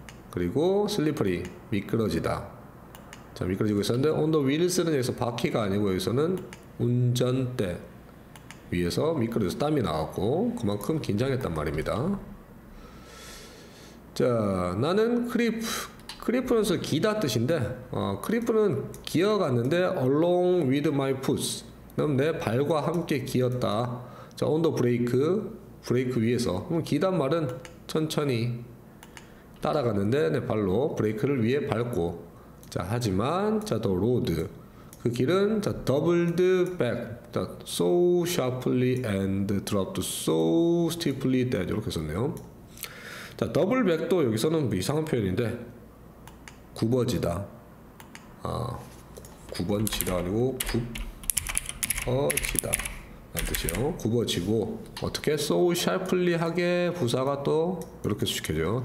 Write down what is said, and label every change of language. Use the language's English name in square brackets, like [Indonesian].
[Korean] 그리고 슬리퍼리 미끄러지다. 자, 미끄러지고 있었는데 on the wheels는 여기서 바퀴가 아니고 여기서는 운전대 위에서 미끄러져서 땀이 나왔고 그만큼 긴장했단 말입니다. 자, 나는 크리프는서 기다 뜻인데 크리프는 기어갔는데 [English] along with my foot. [Korean] 그럼 내 발과 함께 기었다. [English] 자, on the brake [Korean] 위에서. 그럼 기단 말은 천천히 따라갔는데 내 발로 브레이크를 위에 밟고. 자, 하지만 자, [English] the road [Korean] 그 길은 자, [English] doubled back. 자, so sharply and dropped so steeply that [Korean] 이렇게 썼네요. 자, double back도 여기서는 이상한 표현인데 굽어지다. 굽어지다 아니고 굽어지다 라는 뜻이에요. 굽어지고 어떻게 [English] so sharply [Korean] 하게 부사가 또 이렇게 수식해져요.